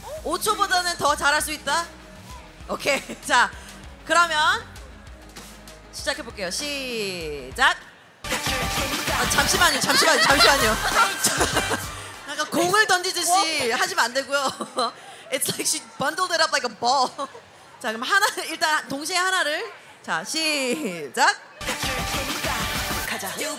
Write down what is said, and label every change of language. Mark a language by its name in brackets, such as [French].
[Korean] 5초보다는 더 잘할 수 있다. 오케이. 자, 그러면 시작해볼게요. 시작. 아, 잠시만요. 잠시만요. 잠시만요. 약간 공을 던지듯이 하시면 안 되고요. [English] It's like she bundled it up like a ball. [Korean] 자, 그럼 하나 일단 동시에 하나를. 자, 시작. 가자.